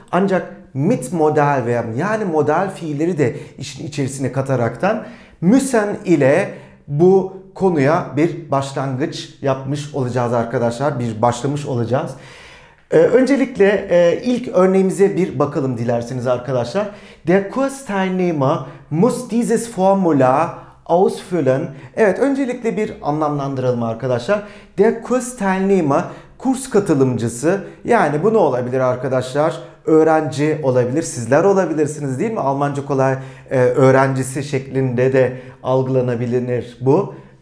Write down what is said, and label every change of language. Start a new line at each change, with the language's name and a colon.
Turkish: Ancak mit modal veya yani modal fiilleri de işin içerisine kataraktan müssen ile bu konuya bir başlangıç yapmış olacağız arkadaşlar. Bir başlamış olacağız. Öncelikle ilk örneğimize bir bakalım dilerseniz arkadaşlar.
German: Der Kursteilnehmer muss dieses Formular ausfüllen.
Turkish: Evet, öncelikle bir anlamlandıralım arkadaşlar. Der Kursteilnehmer, kurs katılımcısı. Yani bu ne olabilir arkadaşlar? Öğrenci olabilir, sizler olabilirsiniz, değil mi? Almanca Kolay öğrencisi şeklinde de algılanabilir bu.